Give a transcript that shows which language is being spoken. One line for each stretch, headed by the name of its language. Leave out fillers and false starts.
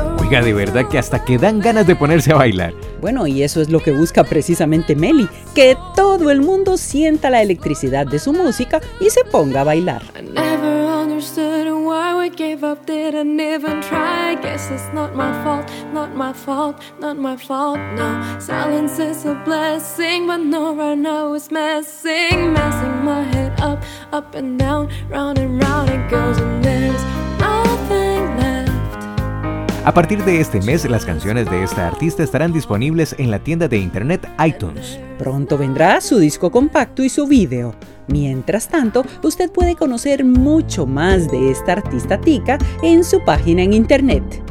Spanish: De verdad que hasta que dan ganas de ponerse a bailar. Bueno, y eso es lo que busca precisamente Meli, que todo el mundo sienta la electricidad de su música y se ponga a bailar.
English: I never understood why we gave up, didn't even try. I guess it's not my fault, not my fault, not my fault, no. Silence is a blessing, but no, right now it's messing. Messing my head up, up and down, round and round it goes and there's nothing.
Spanish: A partir de este mes, las canciones de esta artista estarán disponibles en la tienda de internet iTunes. Pronto vendrá su disco compacto y su video. Mientras tanto, usted puede conocer mucho más de esta artista tica en su página en internet.